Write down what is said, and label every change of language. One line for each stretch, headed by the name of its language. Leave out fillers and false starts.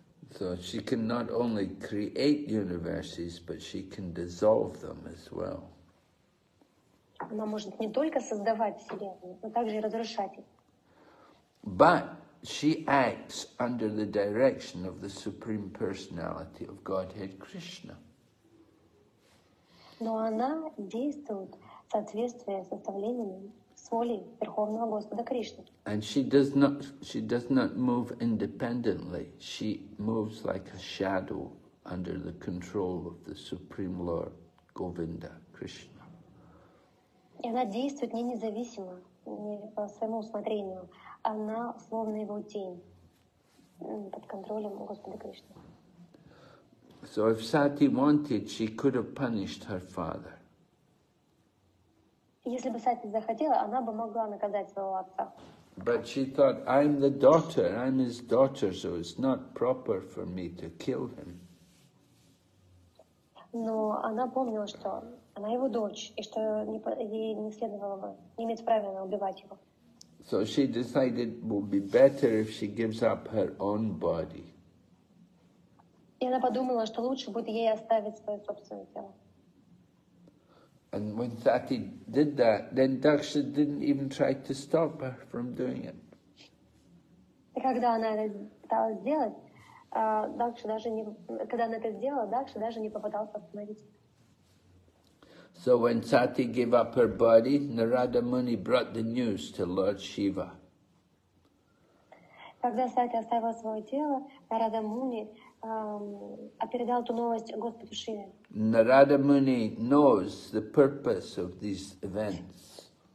English: So she can not only create universes, but she can dissolve them as well.
Russian: Она может не только создавать вселенную, но также и разрушать их.
English: But she acts under the direction of the Supreme Personality of Godhead Krishna.
Russian: Но она действует в соответствии с составлениями с волей Верховного Господа Кришны.
English: And she does not move independently. She moves like a shadow under the control of the Supreme Lord Govinda Krishna.
Russian: И она действует не независимо, не по своему усмотрению. Она словно его тень под контролем Господа Кришны.
English: So if Sati wanted, she could have punished her father.
Russian: Если бы Сати захотела, она бы могла наказать своего отца.
English: But she thought, I'm the daughter, I'm his daughter, so it's not proper for me to kill him.
Russian: Но она помнила, что она его дочь, и что ей не следовало бы, не имеет права на убивать его.
English: So she decided it would be better if she gives up her own body.
Russian: И она подумала, что лучше будет ей оставить свое собственное тело.
English: And when Sati did that, then Daksha didn't even try to stop her from doing it.
Russian: Когда она это пыталась сделать, Даксха даже не попытался остановить.
English: So when Sati gave up her body, Narada Muni brought the news to Lord Shiva.
Russian: Когда Сати оставила свое тело, Нарада Муни передал эту новость Господу Шиве.
English: Narada Muni knows the purpose of these events.